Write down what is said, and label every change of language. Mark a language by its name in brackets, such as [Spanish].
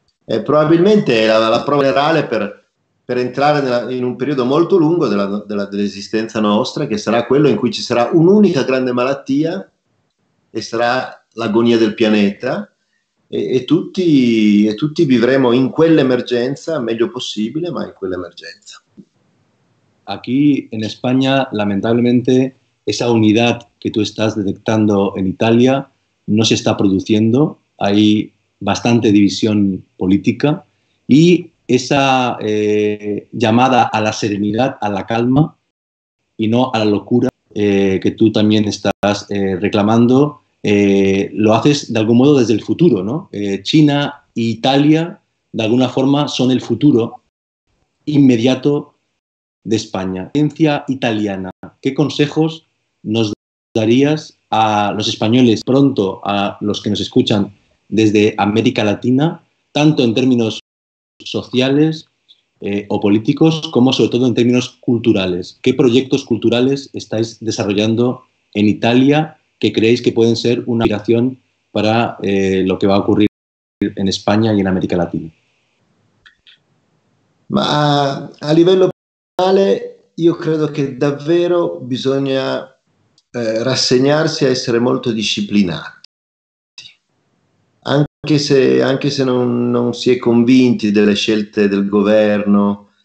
[Italian] E probabilmente è la prova generale per entrare in un periodo molto lungo dell'esistenza nostra, che sarà quello in cui ci sarà un'unica grande malattia e sarà l'agonia del pianeta, e tutti vivremo in quell'emergenza, meglio possibile, ma in quell'emergenza. [Spanish] Aquí en España, lamentablemente, esa unidad que tú estás detectando en Italia no se está produciendo. Hay bastante división política y esa llamada a la serenidad, a la calma y no a la locura que tú también estás reclamando, lo haces de algún modo desde el futuro, ¿no? China e Italia, de alguna forma, son el futuro inmediato de España. Ciencia italiana, ¿qué consejos nos darías a los españoles, pronto a los que nos escuchan desde América Latina, tanto en términos sociales o políticos, como sobre todo en términos culturales? ¿Qué proyectos culturales estáis desarrollando en Italia que creéis que pueden ser una inspiración para lo que va a ocurrir en España y en América Latina? [Italian] A livello personale, io credo che davvero bisogna rassegnarsi a essere molto disciplinati, anche se non si è convinti delle scelte del governo.